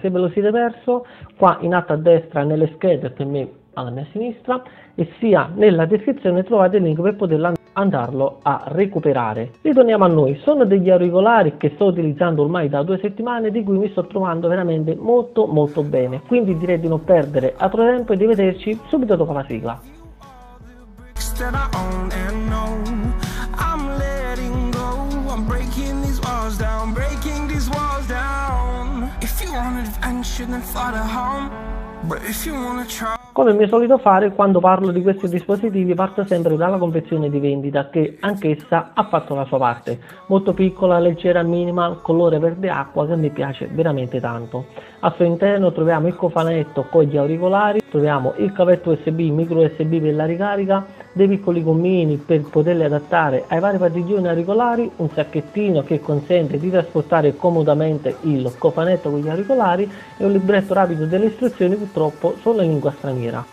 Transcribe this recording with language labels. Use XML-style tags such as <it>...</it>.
<it>Se ve lo siete perso, qua in alto a destra nelle schede per me alla mia sinistra e sia nella descrizione trovate il link per poterlo andarlo a recuperare. Ritorniamo a noi. Sono degli auricolari che sto utilizzando ormai da 2 settimane, di cui mi sto trovando veramente molto molto bene. Quindi direi di non perdere altro tempo e di vederci subito dopo la sigla.</it> <en>That I own and know, I'm letting go. I'm breaking these walls down, breaking these walls down. If you want adventure, then fly to home. But if you wanna try.</en> <it>Come è mio solito fare, quando parlo di questi dispositivi parto sempre dalla confezione di vendita, che anch'essa ha fatto la sua parte. Molto piccola, leggera, minimal, colore verde acqua che mi piace veramente tanto. Al suo interno troviamo il cofanetto con gli auricolari, troviamo il cavetto USB, micro USB per la ricarica, dei piccoli gommini per poterli adattare ai vari padiglioni auricolari, un sacchettino che consente di trasportare comodamente il cofanetto con gli auricolari e un libretto rapido delle istruzioni, purtroppo solo in lingua straniera.</it>